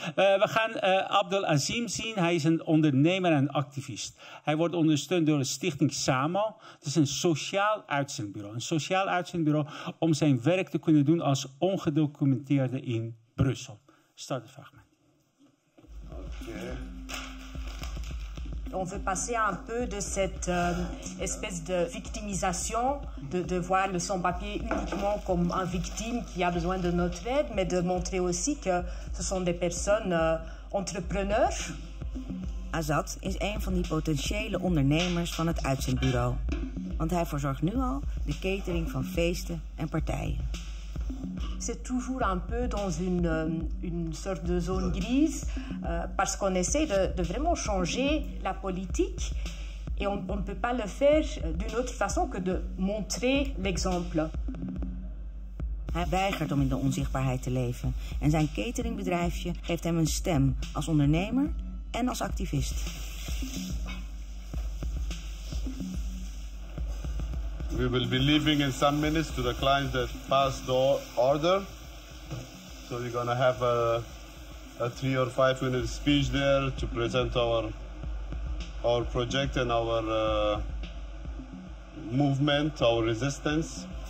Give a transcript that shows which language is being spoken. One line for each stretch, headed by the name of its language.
Dutch: We gaan Abdul Azim zien. Hij is een ondernemer en activist. Hij wordt ondersteund door de stichting SAMO. Het is een sociaal uitzendbureau. Een sociaal uitzendbureau om zijn werk te kunnen doen als ongedocumenteerde in Brussel. Start het fragment.
French: On veut passer un peu de cette espèce de victimisation, de voir le sans-papier uniquement comme une victime qui a besoin de notre aide, mais de montrer aussi que ce sont des personnes entrepreneurs.
Dutch: Azad is een van die potentiële ondernemers van het uitzendbureau. Want hij verzorgt nu al de catering van feesten en partijen.
French: C'est toujours un peu dans une sorte de zone grise parce qu'on essaie de vraiment changer la politique et on ne peut pas le faire d'une autre façon que de montrer l'exemple.
Dutch: Hij weigert om in de onzichtbaarheid te leven en zijn cateringbedrijfje geeft hem een stem als ondernemer en als activist.
English: We will be leaving in some minutes to the clients that passed the order. So we're gonna have a 3 or 5 minute speech there to present our project and our movement, our resistance.